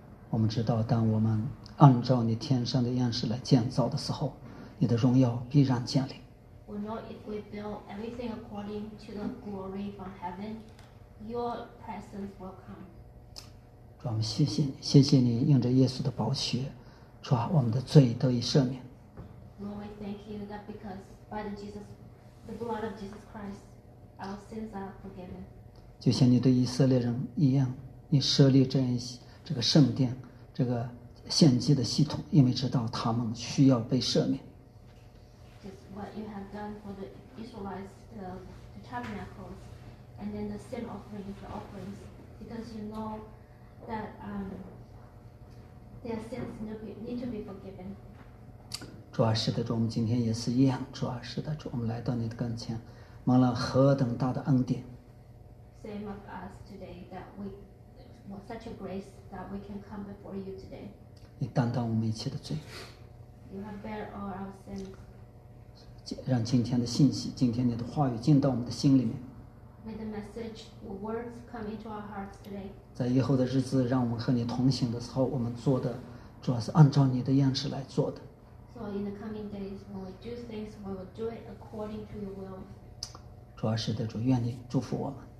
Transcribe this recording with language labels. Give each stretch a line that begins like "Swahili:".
Chinese: 我们知道，当我们按照你天上的样式来建造的时候，你的荣耀必然建立。
English: We know if we build everything according to the glory from heaven, your presence will come.
Chinese: 主，我们谢谢你，谢谢你用着耶稣的宝血，主啊，我们的罪得以赦免。
English: Lord, we thank you that because by the Jesus, the blood of Jesus Christ, our sins are forgiven.
Chinese: 就像你对以色列人一样，你设立这样这个圣殿，这个献祭的系统，因为知道他们需要被赦免。
English: What you have done for the Israelites, the tabernacles, and then the sin offerings, the offerings, because you know that their sins need to be forgiven.
Chinese: 主啊，是的，主，我们今天也是一样。主啊，是的，主，我们来到你的跟前，蒙了何等大的恩典。
English: Same of us today that we such a grace that we can come before you today.
Chinese: 你担当我们一切的罪。
English: You have bear all our sins.
Chinese: 让今天的信息，今天你的话语进到我们的心里面。
English: May the message, the words come into our hearts today.
Chinese: 在以后的日子，让我们和你同行的时候，我们做的主要是按照你的样式来做的。
English: So in the coming days, when we do things, we will do it according to your will.
Chinese: 主啊，是的，主，愿你祝福我们。